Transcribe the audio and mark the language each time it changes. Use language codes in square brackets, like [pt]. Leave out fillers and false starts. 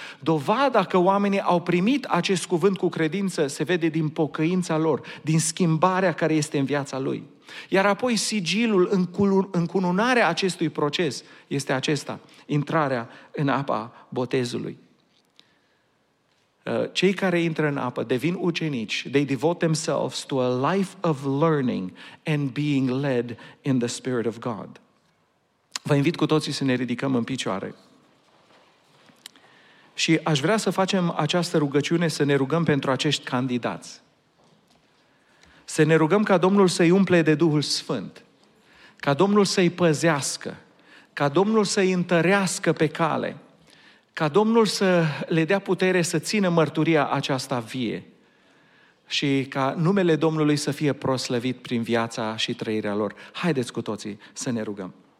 [ro] Dovada că oamenii au primit acest cuvânt cu credință se vede din pocăința lor, din schimbarea care este în viața lui. Iar apoi sigilul, încununarea acestui proces este acesta, intrarea în apa botezului. Cei care intră în apă devin ucenici. [en] They devote themselves to a life of learning and being led in the Spirit of God. [ro] Vă invit cu toții să ne ridicăm în picioare. Și aș vrea să facem această rugăciune, să ne rugăm pentru acești candidați. Să ne rugăm ca Domnul să-i umple de Duhul Sfânt, ca Domnul să-i păzească, ca Domnul să-i întărească pe cale, ca Domnul să le dea putere să țină mărturia aceasta vie și ca numele Domnului să fie proslăvit prin viața și trăirea lor. Haideți cu toții să ne rugăm!